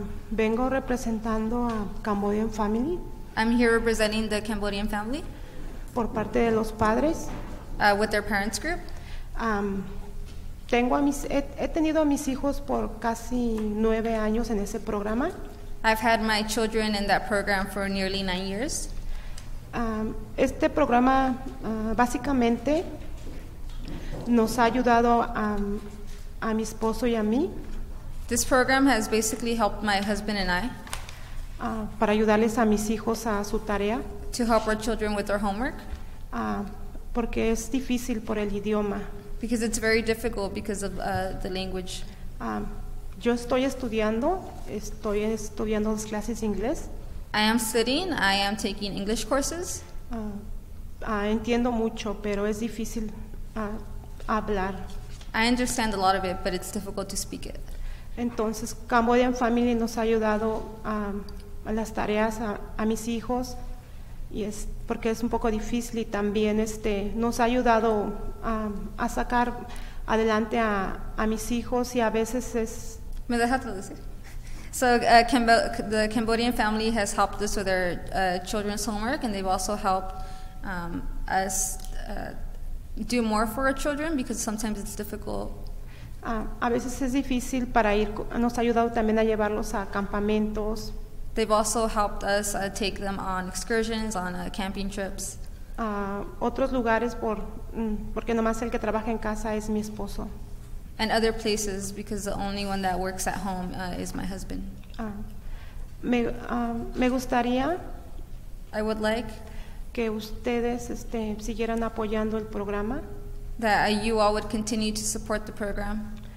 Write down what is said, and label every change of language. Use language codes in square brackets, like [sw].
[es] Vengo representando a Cambodian Family. [en] I'm here representing the Cambodian Family. [es] Por parte de los padres. [en] With their parents group. [es] He tenido a mis hijos por casi 9 años en ese programa. [en] I've had my children in that program for nearly 9 years. [es] Este programa básicamente nos ha ayudado a mi esposo y a mí. [en] This program has basically helped my husband and I. [es] Para ayudarles a mis hijos a su tarea. [en] To help our children with their homework. [es] Porque es difícil por el idioma. [en] Because it's very difficult because of the language. [es] Yo estoy estudiando las clases de inglés. [en] I am studying, I am taking English courses. [es] Entiendo mucho, pero es difícil hablar. [en] I understand a lot of it, but it's difficult to speak it. [es] Entonces, Cambodian Family nos ha ayudado las tareas a mis hijos, y es porque es un poco difícil, y también este nos ha ayudado a sacar adelante a mis hijos, y a veces es... ¿Me deja traducir? [en] So the Cambodian family has helped us with our children's homework, and they've also helped us do more for our children because sometimes it's difficult. [es] A veces es difícil para ir. Nos ha ayudado también a llevarlos a campamentos. [en] They've also helped us take them on excursions, on camping trips. [es] Otros lugares porque nomás el que trabaja en casa es mi esposo. [en] And other places, because the only one that works at home is my husband. [es] Me gustaría. [en] I would like [es] que ustedes siguieran apoyando el programa. [en] That you all would continue to support the program.